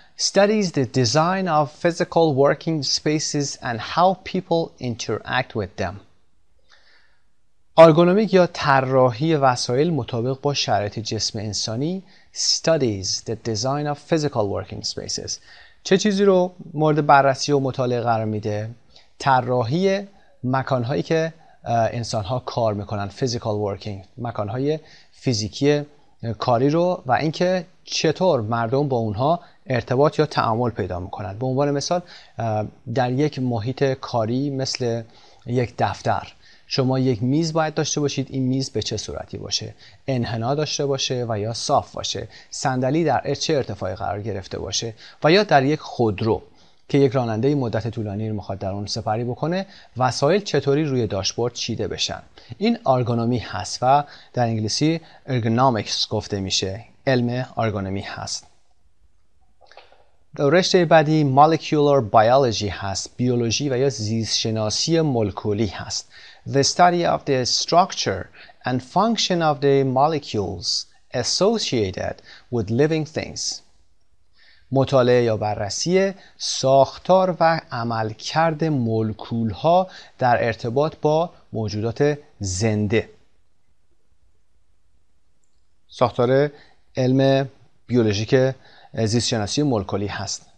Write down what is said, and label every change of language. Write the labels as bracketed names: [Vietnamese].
[English] Studies the design of physical working spaces and how people interact with them. [Persian] ارگونومیک یا طراحی وسایل مطابق با شرایط جسم انسانی. [English] Studies the design of physical working spaces. [Persian] چه چیزی رو مورد بررسی و مطالعه قرار میده؟ طراحی مکانهایی که انسانها کار میکنن، [English] physical working، [Persian] مکانهای فیزیکی کاری رو، و اینکه چطور مردم با اونها ارتباط یا تعامل پیدا میکنن. به عنوان مثال، در یک محیط کاری مثل یک دفتر، شما یک میز باید داشته باشید. این میز به چه صورتی باشه؟ انحنا داشته باشه و یا صاف باشه؟ صندلی در چه ارتفاعی قرار گرفته باشه؟ و یا در یک خودرو که یک راننده مدت طولانی رو میخواد در اون سفری بکنه، وسایل چطوری روی داشبورد چیده بشن؟ این ارگونومی هست و در انگلیسی ارگونومیکس گفته میشه، علم ارگونومی هست. رشته بعدی [English] molecular biology [Persian] هست، بیولوژی و یا زیستشناسی مولکولی هست. [English] The study of the structure and function of the molecules associated with living things. [Persian] مطالعه یا بررسی ساختار و عملکرد مولکول ها در ارتباط با موجودات زنده. ساختار علم بیولوژیک زیستشناسی مولکولی هست.